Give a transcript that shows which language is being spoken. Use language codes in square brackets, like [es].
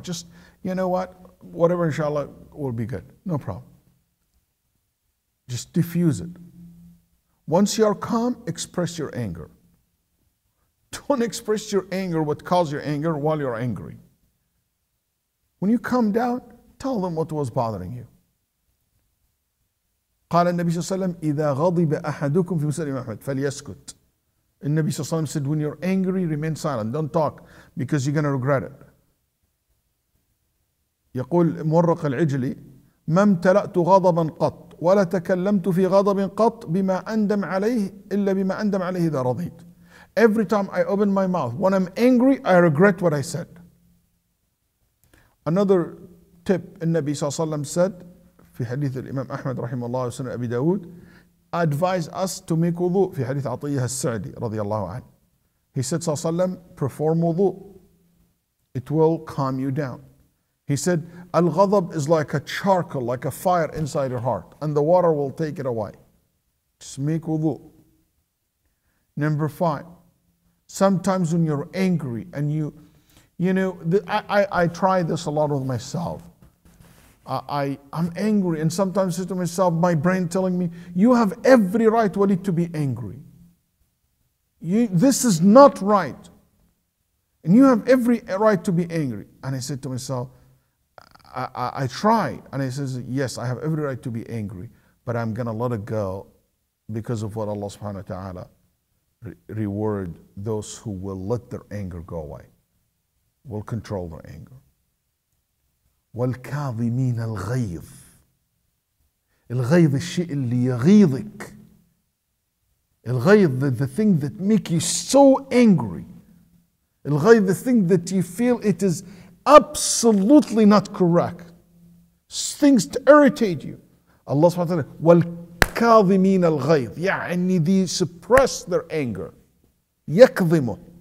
[en] Just, you know what? Whatever, inshallah, will be good. No problem. Just diffuse it. Once you are calm, express your anger. Don't express your anger, what caused your anger, while you're angry. When you calm down, tell them what was bothering you. [ar] قال النبي صلى الله عليه وسلم إذا غضب أحدكم في مسلم أحمد فليسكت. [en] The Nabi [ar] صلى الله عليه وسلم [en] said, when you're angry, remain silent. Don't talk, because you're going to regret it. [ar] يقول مرق العجلي ما امتلأت غضبا قط ولا تكلمت في غضب قط بما أندم عليه إلا بما أندم عليه إذا رضيت. [en] Every time I open my mouth, when I'm angry, I regret what I said. Another tip, [ar] النبي صلى الله عليه وسلم [en] said [ar] في حديث الإمام أحمد رحمه الله وسنة أبي داود [en] advise us to make wudu [ar] في حديث عطية السعدي رضي الله عنه. [en] He said [ar] صلى الله عليه وسلم [en] perform wudu. It will calm you down. He said, Al-Ghadab is like a charcoal, like a fire inside your heart, and the water will take it away. Just make wudu. Number 5, sometimes when you're angry and you, You know, I try this a lot with myself. I'm angry, and sometimes it's to myself, my brain telling me, you have every right, Waleed, to be angry. This is not right. And you have every right to be angry. And I said to myself, I try. And I says, yes, I have every right to be angry, but I'm going to let it go because of what Allah subhanahu wa ta'ala reward those who will let their anger go away, will control their anger. [ar] والكاظمين الغيظ الغيظ الشيء اللي يغيظك الغيظ [en] the thing that make you so angry [ar] الغيظ [en] the thing that you feel it is absolutely not correct things to irritate you Allah [ar] سبحانه وتعالى والكاظمين الغيظ يعني [en] they suppress their anger [ar] يكظمه